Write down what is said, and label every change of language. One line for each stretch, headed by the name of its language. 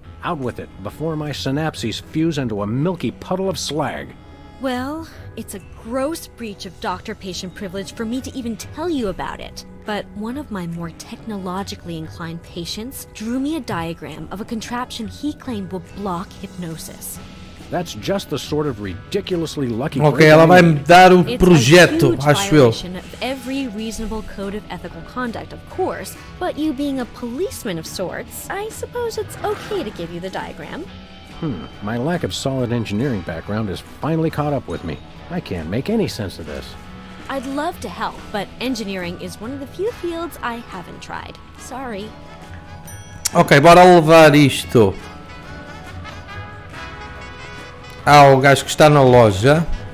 English: Out with it, before my synapses fuse into a milky puddle of slag. Well, it's a gross breach of doctor-patient privilege for me to even tell you about it. But one of my more technologically inclined patients drew me a diagram of a contraption he claimed would block hypnosis. That's just the sort of ridiculously lucky.
Portuguese: Okay, ela vai me dar o projeto, acho eu.
English: It's a huge violation of every reasonable code of ethical conduct, of course. But you being a policeman of sorts, I suppose it's okay to give you the diagram. My lack of solid engineering background has finally caught up with me. I can't make any sense of this. I'd love to help, but engineering is one of the few fields I haven't tried. Sorry.
Portuguese: Ok, bora levar isto ao gajo que está na loja.